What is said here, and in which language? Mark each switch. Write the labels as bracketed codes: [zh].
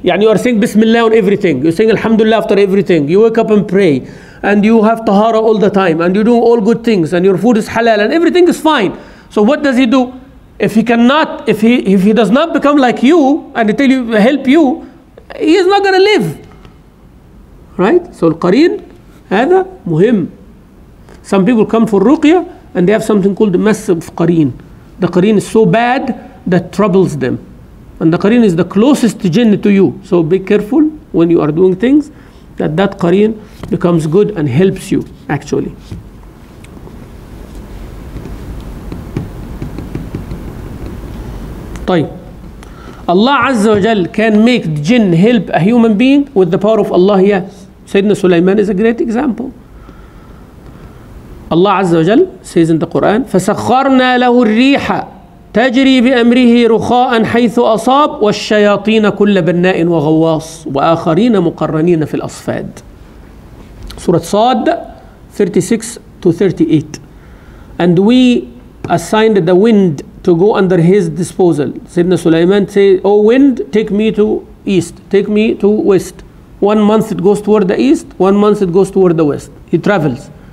[ar] يعني [en] you are saying Bismillah on everything. You're saying Alhamdulillah after everything. You wake up and pray. And you have tahara all the time. And you do all good things. And your food is halal. And everything is fine. So what does he do? If he does not become like you, and they tell you, help you, he is not going to live. Right? So [ar] القرين هذا مهم. [en] Some people come for ruqya, and they have something called massive qareen. The qareen is so bad that troubles them. And the qareen is the closest jinn to you. So be careful when you are doing things that qareen becomes good and helps you actually. [ar] طيب. [en] Allah Azza wa Jal can make jinn help a human being with the power of Allah, yes. Sayyidina Sulaiman is a great example. Allah Azza wa Jal says in the Quran, [ar] فَسَخَّرْنَا لَهُ الرِّيحَ تَجْرِي بِأَمْرِهِ رُخَاءً حَيْثُ أَصَابُ وَالشَّيَاطِينَ كُلَّ بَنَّاءٍ وَغَوَّاصٍ وَآخَرِينَ مُقَرَّنِينَ فِي الْأَصْفَادِ. [en] Surah Sad 36-38. And we assigned the wind to go under his disposal. Sayyidina Sulaiman said, O wind, take me to east, take me to west. 1 month it goes toward the east, 1 month it goes toward the west. He travels.